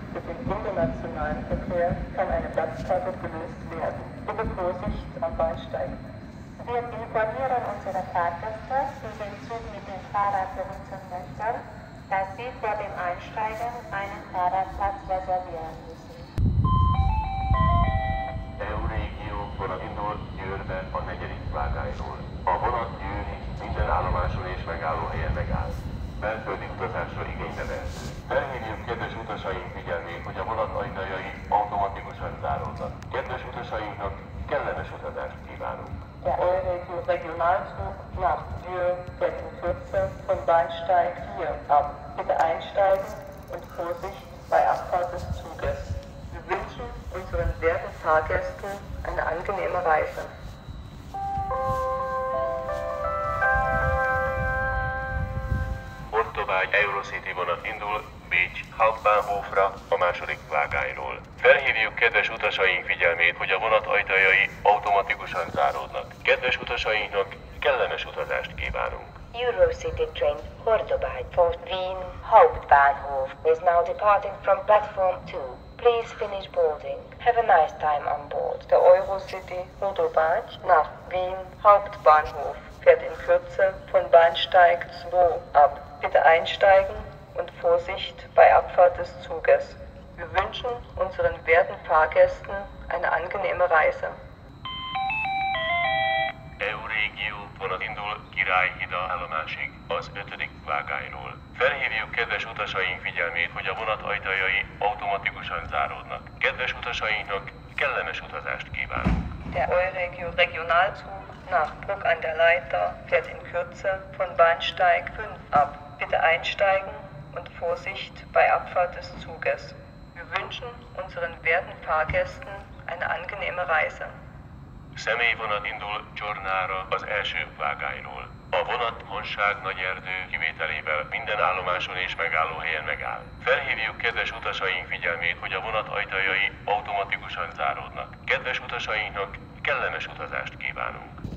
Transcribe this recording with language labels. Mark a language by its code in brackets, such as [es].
[de] Mit dem internationalen Verkehr kann eine Platzkarte gelöst werden. Bitte Vorsicht am Bahnsteig. Wir informieren unsere Fahrgäste, die den Zug mit dem Fahrrad benutzen möchten, dass sie vor dem Einsteigen einen Fahrradplatz reservieren müssen. [hu] Euregio vonat indult Győrbe a negyedik vágányról. A vonat Győri minden állomáson és megállóhelyen megáll. Belföldi utazásra igénybe vehető. Felhívjuk kedves utasaink figyelmét, hogy a vonat ajtajai automatikusan zárulnak. Kedves utasainknak kellemes utazást kívánunk! [de] Der Euregio Regionalzug nach Győr fährt in Kürze von Bahnsteig 4 ab. Bitte einsteigen und Vorsicht bei Abfahrt des Zuges. Wir wünschen unseren werten Fahrgästen eine angenehme Reise. [hu] Portobágy Eurocity vonat indul Bécs Hauptbahnhofra a második vágányról. Felhívjuk kedves utasaink figyelmét, hogy a vonat ajtajai automatikusan záródnak. Kedves utasainknak kellemes utazást kívánunk! [en] Eurocity train Portobágy for Wien Hauptbahnhof is now departing from platform 2. Please finish boarding. Have a nice time on board. [de] The Eurocity Portobágy nach Wien Hauptbahnhof fährt in Kürze von Bahnsteig 2 ab. Bitte einsteigen und Vorsicht bei Abfahrt des Zuges. Wir wünschen unseren werten Fahrgästen eine angenehme Reise. [hu] Euregio vonat indul Királyhida állomásig az ötödik vágányról. Felhívjuk kedves utasaink figyelmét, hogy a vonat ajtajai automatikusan záródnak. Kedves utasainknak kellemes utazást kívánunk! [de] Der Euregio Regionalzug nach Bruck an der Leitha fährt in Kürze von Bahnsteig 5 ab. Bitte einsteigen und Vorsicht bei Abfahrt des Zuges. Wir wünschen unseren werten Fahrgästen eine angenehme Reise. [hu] Személyvonat indul Csornára az első vágányról. A vonat Honság Nagyerdő kivételével minden állomáson és megállóhelyen megáll. Felhívjuk kedves utasaink figyelmét, hogy a vonat ajtajai automatikusan záródnak. Kedves utasainknak kellemes utazást kívánunk!